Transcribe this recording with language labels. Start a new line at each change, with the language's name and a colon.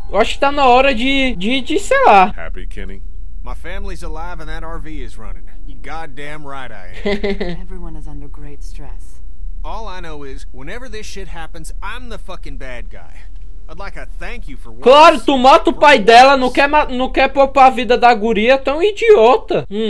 Portuguese: Eu acho que tá na hora de sei lá.
English: Happy, Kenny. My family's alive and that RV is running. You goddamn right I am. Everyone is under great stress. All I know is, whenever this shit happens, I'm the fucking bad guy. I'd like a thank you for.
Portuguese: Claro, tu mata o pai dela, não quer poupar a vida da guria, tão idiota.